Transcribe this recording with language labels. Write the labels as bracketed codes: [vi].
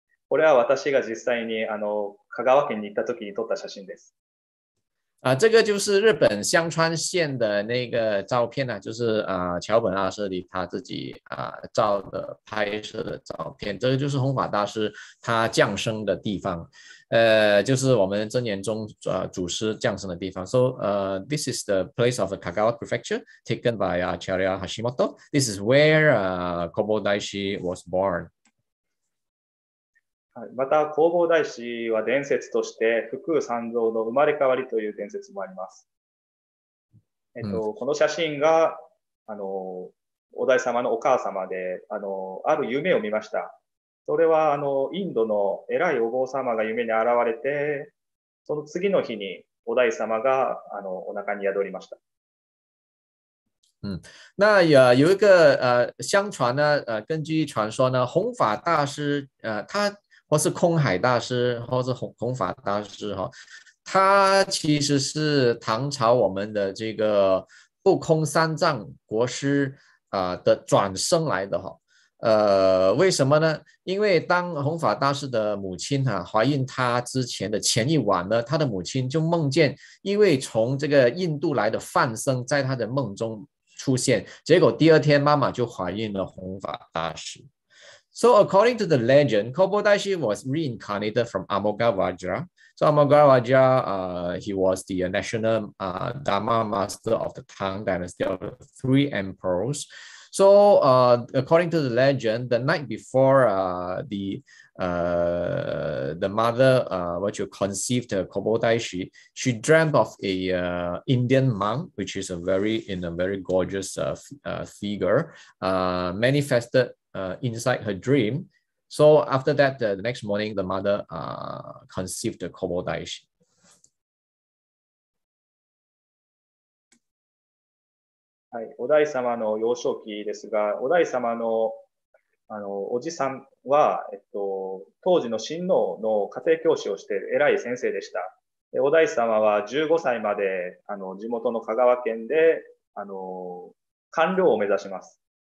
[ja] これは私が実際に香川県に行った時に撮った写真です。 [zh] 这个就是日本香川县的那个照片呢，就是桥本阿舍里他自己照的拍摄的照片。这个就是弘法大师他降生的地方，就是我们真言宗祖师降生的地方。 [en] So this is the place of the Kagawa Prefecture taken by Acharya Hashimoto. This is where Kobodaishi was born. [ja] また弘法大師は伝説として不空三蔵の生まれ変わりという伝説もあります。この写真がお大師様のお母様で、ある夢を見ました。それはインドの偉いお坊様が夢に現れて、その次の日にお大師様がお腹に宿りました。 [zh] 那有一个相传呢，根据传说呢，弘法大师他或是空海大师或是弘法大师他其实是唐朝我们的这个不空三藏国师的转生来的为什么呢？因为当弘法大师的母亲怀孕他之前的前一晚呢，他的母亲就梦见一位从这个印度来的梵僧在他的梦中出现，结果第二天妈妈就怀孕了弘法大师。 [en] So according to the legend, Kobodaishi was reincarnated from Amoghavajra. So Amoghavajra, he was the national Dharma master of the Tang Dynasty of the Three Emperors. So according to the legend, the night before the mother, what you conceived, Kobodaishi, she dreamt of a Indian monk, which is a very gorgeous figure, manifested inside her dream. So after that, the next morning, the mother conceived the Kobodaishi. [ja] 五代様の幼少期ですが、五代様の、おじさんは、当時の親王の家庭教師をしている偉い先生でした。五代様は15歳まで地元の香川県で官僚を目指します。